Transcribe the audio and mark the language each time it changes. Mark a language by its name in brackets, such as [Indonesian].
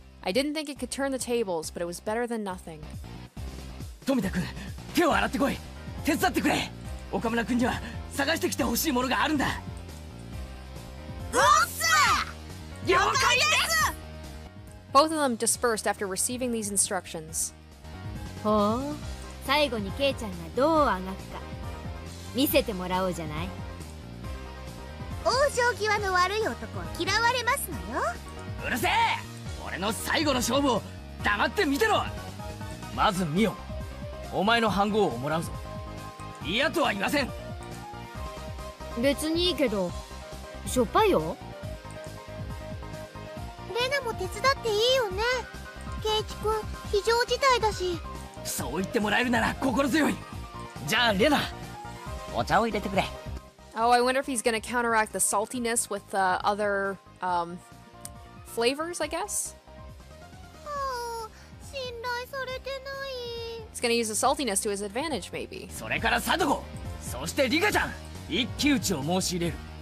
[English] I didn't think it could turn the tables, but it was better than nothing. [Japanese] Tomita-kun, 手を洗ってこい。手伝ってくれ。Okamura-kun には探してきてほしいものがあるんだ。おっす!了解です! [English] Both of them dispersed after receiving these instructions. [Japanese] ほう、最後にケイちゃんがどうあがくか。見せてもらおうじゃない。往生際の悪い男は嫌われますのよ。うるせえ、俺の最後の勝負を黙って見てろ。まずミオン、お前の飯盒をもらうぞ。嫌とは言いません。別にいいけど、しょっぱいよ。レナも手伝っていいよね。ケイチ君、非常事態だし。そう言ってもらえるなら心強い。じゃあレナ、お茶を入れてくれ。 [English] Oh, I wonder if he's gonna counteract the saltiness with the other, flavors, I guess? [Japanese] Oh, 信頼されてない。 [English] He's gonna use the saltiness to his advantage, maybe. [Japanese] それからサドコ、そしてリカちゃん、一騎打ちを申し入れる。